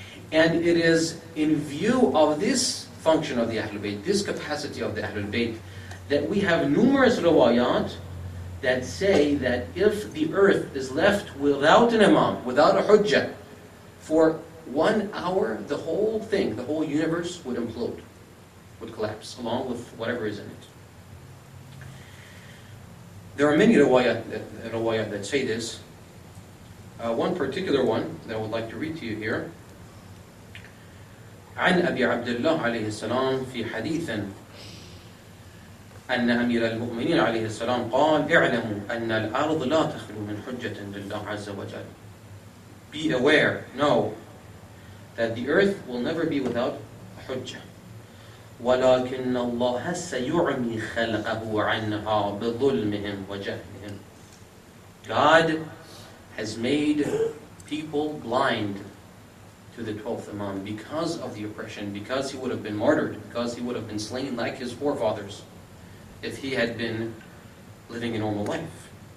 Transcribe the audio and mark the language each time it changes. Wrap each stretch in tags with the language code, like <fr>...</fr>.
<en>And it is in view of this function of the Ahlul Bayt, this capacity of the Ahlul Bayt, that we have numerous rawayat that say that if the earth is left without an imam, without a hujjah, for 1 hour, the whole thing, the whole universe would implode, would collapse, along with whatever is in it. There are many rawayat that say this. One particular one that I would like to read to you here.</en> <ar>عن أبي عبد الله عليه السلام في حديث أن أمير المؤمنين عليه السلام قال اعلموا أن الأرض لا تخلو من حجة لله عز وجل.</ar> <en>Be aware, know that the earth will never be without حجة.</en> <ar>ولكن الله سيعمي خلقه عنها بظلمهم وجهلهم.</ar> <en>God has made people blind to the 12th Imam because of the oppression, because he would have been martyred, because he would have been slain like his forefathers if he had been living a normal life.</en>